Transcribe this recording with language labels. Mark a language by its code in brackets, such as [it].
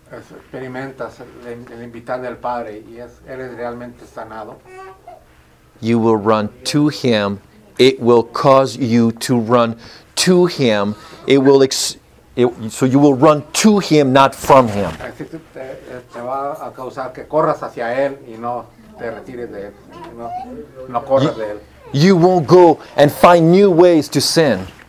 [es] Experimentas el invitar del Padre y eres realmente sanado. [en] You will run to him. It will cause you to run to him. You will run to him, not from him. [es] Te va a causar que corras hacia él y no te retires de él. No corras de él. [en] you won't go and find new ways to sin.